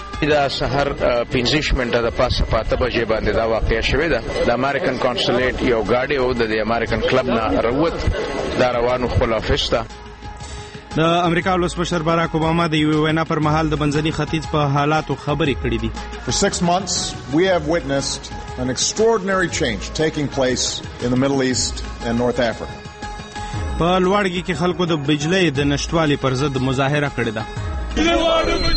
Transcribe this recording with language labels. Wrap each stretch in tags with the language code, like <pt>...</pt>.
<ps>دا سحر 15 منټه د پاسه پاته بجې باندې دا واقع شوی ده. د امریکن کونسلیټ یو ګاډی او د امریکن کلب نه روت دا روانو خپل افس ته. د امریکا ولسمشر باراک اوباما د یو وینا پر مهال د بنځني ختیځ په حالاتو خبرې کړې دي.</ps> <en>For 6 months we have witnessed an extraordinary change taking place in the Middle East and North Africa.</en> <ps>په لوړګي کې خلکو د بجلی د نشټوالي پر ضد مظاهره کړې ده.</ps>